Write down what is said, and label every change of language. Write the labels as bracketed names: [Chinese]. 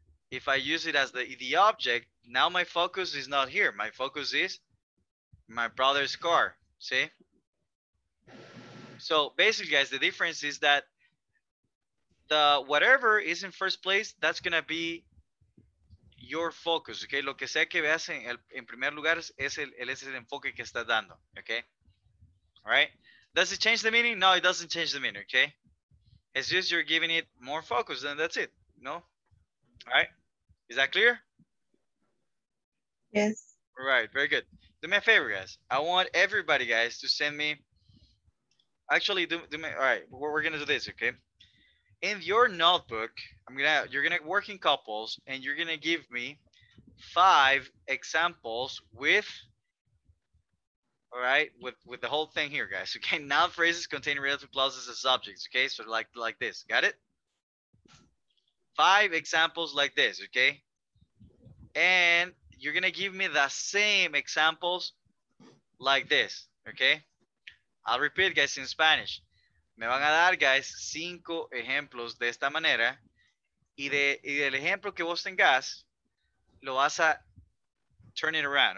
[English] If I use it as the object, now my focus is not here. My focus is my brother's car, see? So basically, guys, the difference is that the whatever is in first place, that's gonna be your focus, okay? [Spanish] Lo que sea que veas en primer lugar es el enfoque que estás dando, okay? [English] All right? Does it change the meaning? No, it doesn't change the meaning, okay? It's just you're giving it more focus, and that's it, no? All right? Is that clear? Yes. All right, very good. Do me a favor, guys. I want everybody, guys, to send me. Actually, do me. All right, we're gonna do this, okay? In your notebook, you're gonna work in couples, and you're gonna give me 5 examples with. All right, with the whole thing here, guys. Okay, noun phrases contain relative clauses as subjects. Okay, so like this. Got it? 5 examples like this. Okay, and you're gonna give me the same examples like this. Okay, I'll repeat, guys, in Spanish. [Spanish] Me van a dar, guys, 5 ejemplos de esta manera, y del ejemplo que vos tengas, lo vas a [English] turn it around.